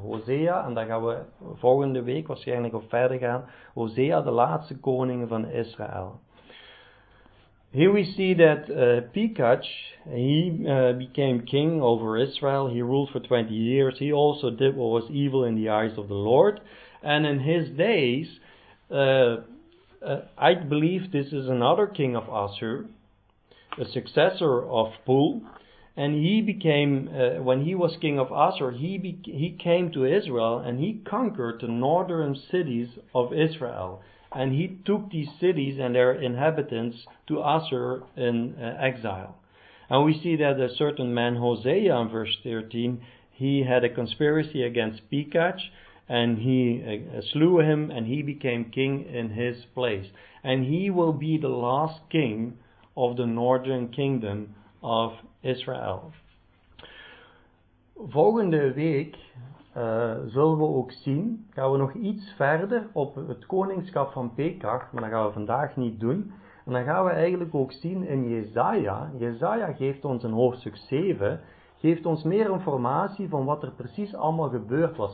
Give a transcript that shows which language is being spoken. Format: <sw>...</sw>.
<nl>Hosea, en daar gaan we volgende week waarschijnlijk op verder gaan, Hosea de laatste koning van Israël.</nl> <en>Here we see that Pekach, he became king over Israel. He ruled for 20 years. He also did what was evil in the eyes of the Lord. And in his days, I believe this is another king of Assur, a successor of Pul. And he became, when he was king of Assur, he came to Israel and he conquered the northern cities of Israel. And he took these cities and their inhabitants to Assur in exile. And we see that a certain man, Hosea, in verse 13, he had a conspiracy against Pekach, and he slew him, and he became king in his place. And he will be the last king of the northern kingdom of Israel.</en> <nl>Volgende week zullen we ook zien, gaan we nog iets verder op het koningschap van Pekach, maar dat gaan we vandaag niet doen. En dan gaan we eigenlijk ook zien in Jesaja. Jesaja geeft ons in hoofdstuk 7, geeft ons meer informatie van wat er precies allemaal gebeurd was.</nl>